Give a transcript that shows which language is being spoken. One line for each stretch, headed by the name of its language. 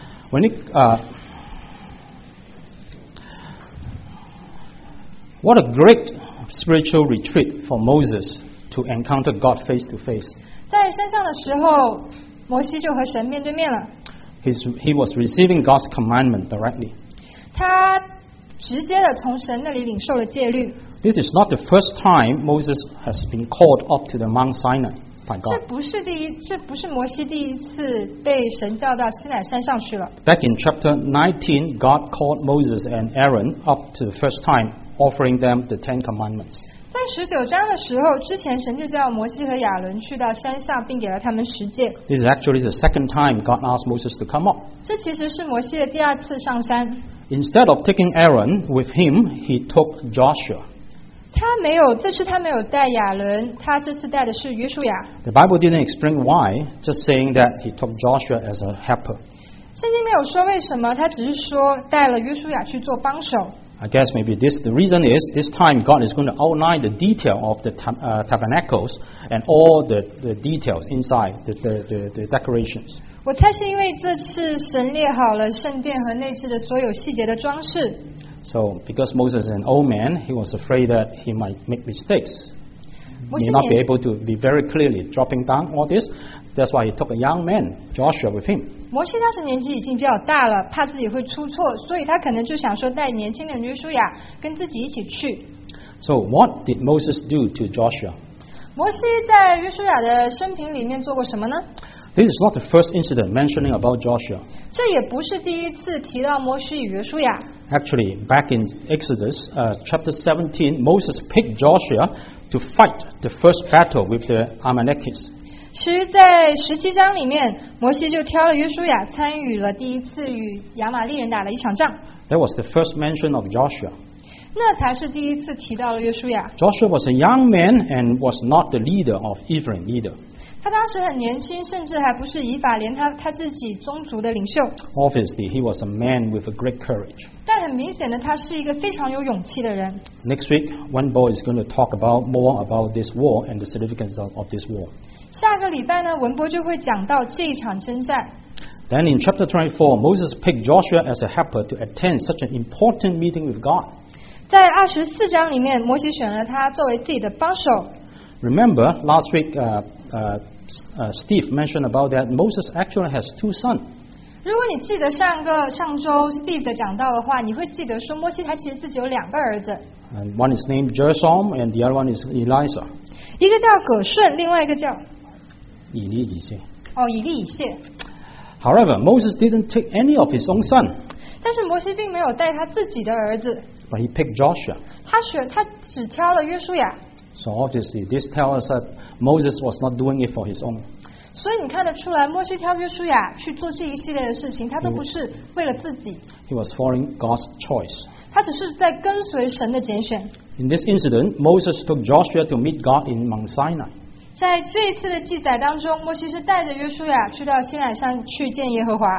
English: When it, what a great spiritual retreat for Moses. To encounter God face to face.
Chinese: 在山上的时候，摩西就和神面对面了。
English: He was receiving God's commandment directly.
Chinese: 他直接的从神那里领受了诫律。
English: This is not the first time Moses has been called up to the Mount Sinai by God.
Chinese: 这不是摩西第一次被神叫到西乃山上去了。
English: Back in chapter 19, God called Moses and Aaron up to the first time, offering them the Ten Commandments.
Chinese: 在十九章的时候，之前神就叫摩西和亚伦去到山上，并给了他们十诫。
English: This is actually the second time God asked Moses to come up.
Chinese: 这其实是摩西的第二次上山。
English: Instead of taking Aaron with him, he took Joshua.
Chinese: 这次他没有带亚伦，他这次带的是约书亚。
English: The Bible didn't explain why, just saying that he took Joshua as a helper.
Chinese: 圣经没有说为什么，他只是说带了约书亚去做帮手。
English: I guess maybe the reason is this time God is going to outline the detail of the tabernacles and all the details inside the decorations.
Chinese: 我猜是因为这次神列好了圣殿和内置的所有细节的装饰。
English: So because Moses is an old man, he was afraid that he might make mistakes. He may not be able to be very clearly dropping down all this. That's why he took a young man, Joshua, with him.
Chinese: 摩西当时年纪已经比较大了，怕自己会出错，所以他可能就想说带年轻的约书亚跟自己一起去。
English: So what did Moses do to Joshua?
Chinese: 摩西在约书亚的生平里面做过什么呢？
English: This is not the first incident mentioning about Joshua.
Chinese: 这也不是第一次提到摩西与约书亚。
English: Actually, back in Exodus, chapter 17, Moses picked Joshua to fight the first battle with the Amalekites.
Chinese: 其实在十七章里面，摩西就挑了约书亚参与了第一次与亚玛利人打了一场仗。
English: That was the first mention of Joshua.
Chinese: 那才是第一次提到了约书亚。
English: Joshua was a young man and was not the leader of Ephraim either.
Chinese: 他当时很年轻，甚至还不是以法莲他自己宗族的领袖。
English: Obviously, he was a man with a great courage.
Chinese: 但很明显的，他是一个非常有勇气的人。
English: Next week, one boy is going to talk about more about this war and the significance of this war.
Chinese: 下个礼拜呢，文博就会讲到这一场征战。
English: Then in chapter 24, Moses picked Joshua as a helper to attend such an important meeting with God.
Chinese: 在二十四章里面，摩西选了他作为自己的帮手。
English: Remember last week, Steve mentioned about that Moses actually has two sons.
Chinese: 如果你记得上周 Steve 的讲到的话，你会记得说摩西他其实自己有两个儿子。
English: And one is named Gershom, and the other one is Elisha.
Chinese: 一个叫葛顺，另外一个叫以利以谢。哦，以利以谢。
English: However, Moses didn't take any of his own son.
Chinese: 但是摩西并没有带他自己的儿子。
English: But he picked Joshua.
Chinese: 他只挑了约书亚。
English: So obviously, this tells us that Moses was not doing it for his own.
Chinese: 所以你看得出来，摩西挑约书亚去做这一系列的事情，他都不是为了自己。
English: He was following God's choice.
Chinese: 他只是在跟随神的拣选。
English: In this incident, Moses took Joshua to meet God in Mount Sinai.
Chinese: 在这一次的记载当中，摩西是带着约书亚去到西乃山去见耶和华。